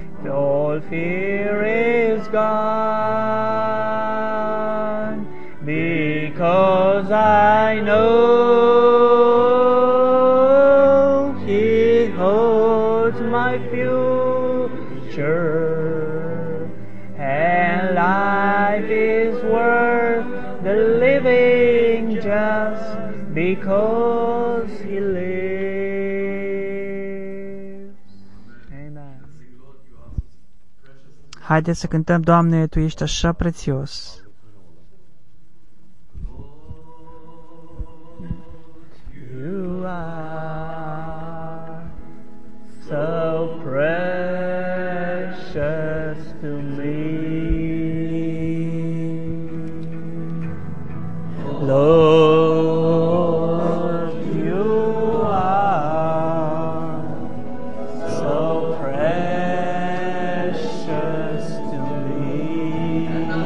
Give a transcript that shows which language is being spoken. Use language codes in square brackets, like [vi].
[en] All fear is gone because I know He holds my future, and life is worth the living just because He lives. Amen. [ro] Haideți să cântăm, Doamne, Tu ești așa prețios. [en] You are so precious to me, Lord, You are so precious to me.